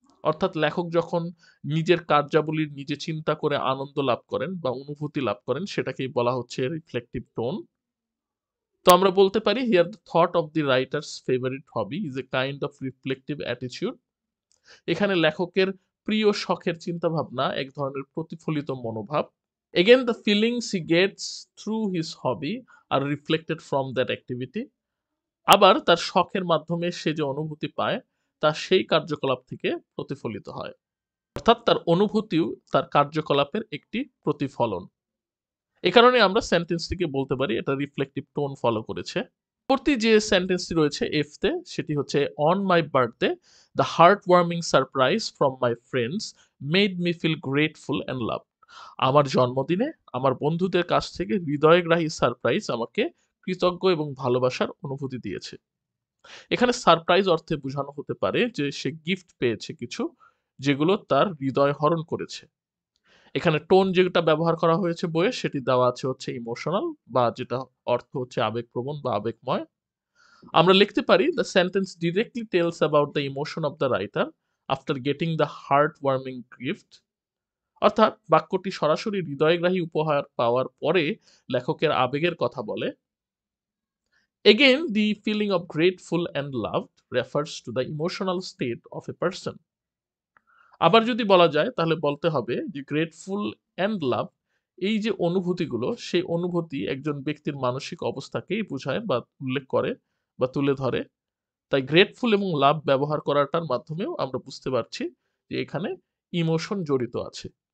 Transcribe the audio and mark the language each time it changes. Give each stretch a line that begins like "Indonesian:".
Bangla: অর্থাৎ লেখক যখন নিজের কার্যাবলীর নিজে চিন্তা করে আনন্দ লাভ করেন বা অনুভূতি লাভ করেন, সেটাকেই বলা হচ্ছে রিফ্লেকটিভ টোন। তো আমরা বলতে পারি,
English: Here the thought of the writers favourite hobby is a kind of reflective অ্যাটিচিউড।
Bangla: এখানে লেখকের প্রিয় শখের চিন্তা ভাবনা এক ধরনের প্রতিফলিত মনোভাব।
English: Again, the feelings he gets through his hobby are reflected from that activity.
Bangla: আবার তার শখের মাধ্যমে সে যে অনুভূতি পায় তা সেই কার্যকলাপ থেকে প্রতিফলিত হয়, অর্থাৎ তার অনুভূতিও তার কার্যকলাপের একটি প্রতিফলন। এ কারণে আমরা সেন্টেন্সটিকে বলতে পারি এটা রিফ্লেকটিভ টোন ফলো করেছে। পরবর্তী যে সেন্টেন্সটি রয়েছে এফতে, সেটি হচ্ছে,
English: On my birthday the heart warming surprise from my friends made me feel grateful and love.
Bangla: আমার জন্মদিনে আমার বন্ধুদের কাছ থেকে হৃদয়গ্রাহী সারপ্রাইজ আমাকে কৃতজ্ঞ এবং ভালোবাসার অনুভূতি দিয়েছে। এখানে সারপ্রাইজ অর্থে বোঝানো হতে পারে যে সে গিফট পেয়েছে কিছু যেগুলো তার হৃদয় হরণ করেছে। এখানে টোন যেটা ব্যবহার করা হয়েছে বইয়ে সেটি দেওয়া আছে হচ্ছে ইমোশনাল, বা যেটা অর্থ হচ্ছে আবেগপ্রবণ বা আবেগময়। আমরা লিখতে পারি,
English: The sentence directly tells about the emotion of the writer after getting the heart warming gift.
Bangla: অর্থাৎ বাক্যটি সরাসরি হৃদয়গ্রাহী উপহার পাওয়ার পরে লেখকের আবেগের কথা বলে।
English: Again, the feeling of grateful and loved refers to the emotional state of a person.
Bangla: আবার যদি বলা যায় তাহলে বলতে হবে যে
English: grateful and loved
Bangla: এই যে অনুভূতিগুলো, সেই অনুভূতি একজন ব্যক্তির মানসিক অবস্থাকেই বোঝায় বা উল্লেখ করে বা তুলে ধরে। তাই grateful এবং love ব্যবহার করাটার মাধ্যমেও আমরা বুঝতে পারছি যে এখানে ইমোশন জড়িত আছে।